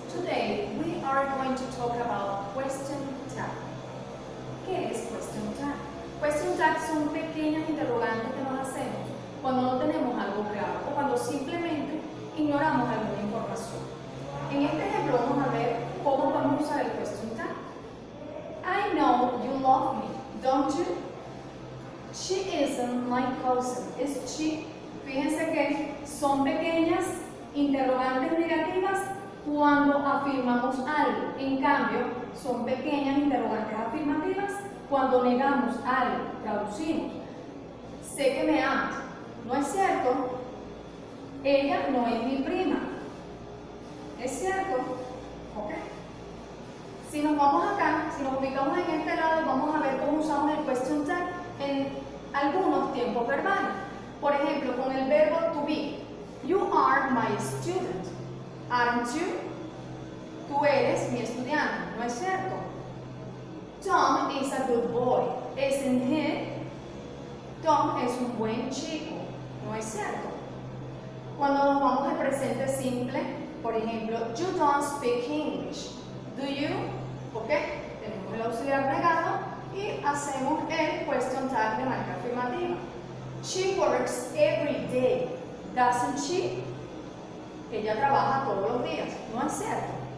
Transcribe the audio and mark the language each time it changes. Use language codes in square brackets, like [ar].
[en] Today, we are going to talk about question tag. [es] ¿Qué es question tag? Question tag son pequeños interrogantes que nos hacemos cuando no tenemos algo claro o cuando simplemente ignoramos alguna información. En este ejemplo, vamos a ver cómo podemos usar el question tag. [en] I know you love me, don't you? She isn't my cousin, is she? [es] Fíjense que son pequeñas interrogantes negativas cuando afirmamos algo. En cambio, son pequeñas interrogantes afirmativas cuando negamos algo. Traducimos. Sé que me amas. ¿No es cierto? Ella no es mi prima. ¿Es cierto? Ok. Si nos vamos acá, si nos ubicamos en este lado, vamos a ver cómo usamos el question tag en algunos tiempos verbales. Por ejemplo, con el verbo to be. [en] You are my student, aren't you? [es] Tú eres mi estudiante, ¿no es cierto? [en] Tom is a good boy, isn't he? [es] Tom es un buen chico, ¿no es cierto? Cuando nos vamos al presente simple, por ejemplo, [en] you don't speak English, do you? [es] Ok, tenemos el auxiliar negado y hacemos el question tag de manera afirmativa. [en] She works every day, doesn't she? [es] Ella trabaja todos los días, ¿no es cierto?